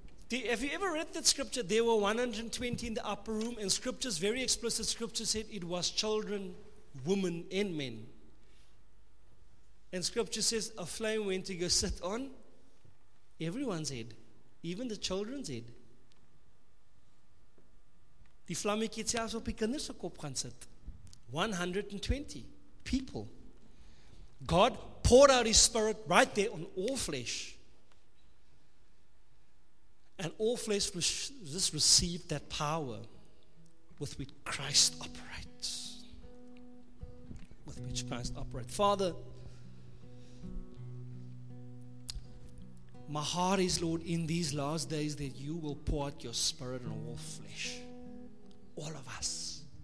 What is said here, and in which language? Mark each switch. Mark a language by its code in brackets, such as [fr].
[en] Have you ever read that scripture? There were 120 in the upper room, and scriptures, very explicit scripture said it was children, women, and men. And scripture says a flame went to go sit on everyone's head, even the children's head. [af] Die vlammetjie het selfs op die kinders se kop gaan sit. [en] 120 people. God poured out his spirit right there on all flesh. And all flesh just received that power with which Christ operates. With which Christ operates. Father, my heart is, Lord, in these last days that you will pour out your spirit on all flesh. All of us.